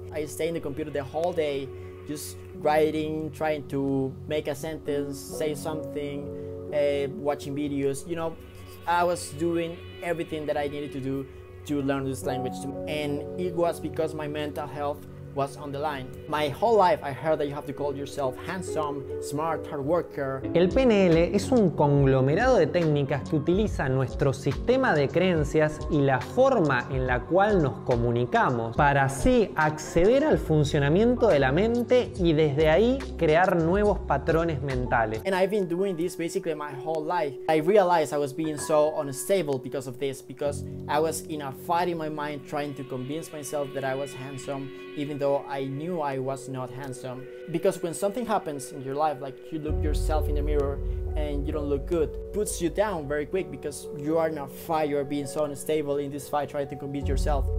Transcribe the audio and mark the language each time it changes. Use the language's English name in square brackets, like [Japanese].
[English] I stayed in the computer the whole day, just writing, trying to make a sentence, say something, watching videos, you know, I was doing everything that I needed to do to learn this language, and it was because my mental health was on the line. My whole life I heard that you have to call yourself handsome, smart, hard worker. [Spanish] El PNL es un conglomerado de técnicas que utiliza nuestro sistema de creencias y la forma en la cual nos comunicamos para así acceder al funcionamiento de la mente y desde ahí crear nuevos patrones mentales. [English] And I've been doing this basically my whole life. I realized I was being so unstable because of this, because I was in a fight in my mind trying to convince myself that I was handsome, even though I knew I was not handsome. Because when something happens in your life, like you look yourself in the mirror and you don't look good, puts you down very quick because you are in a fight, you're being so unstable in this fight trying to convince yourself.